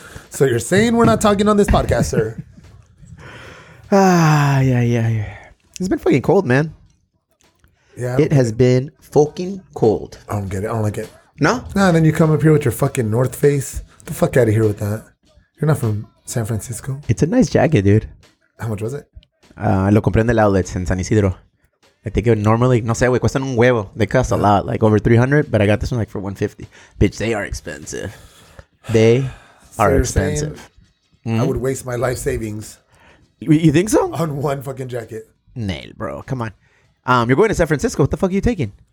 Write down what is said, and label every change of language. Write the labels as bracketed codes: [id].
[en] So you're saying we're not talking on this podcast, sir. Yeah. It's been fucking cold, man. Yeah. It has been fucking cold. I don't get it. I don't like it. No? Nah, then you come up here with your fucking North Face. Get the fuck out of here with that. You're not from San Francisco. It's a nice jacket, dude. How much was it? [es] Lo compré en el outlet en San Isidro. [en] I think it would normally, [es] no sé, [en] we [es] cuestan un huevo. [en] They cost a lot, like over 300, but I got this one like for 150. Bitch, they are expensive. They are expensive. Mm-hmm. I would waste my life savings. You think so? On one fucking jacket. Nail, bro. Come on. You're going to San Francisco. What the fuck are you taking?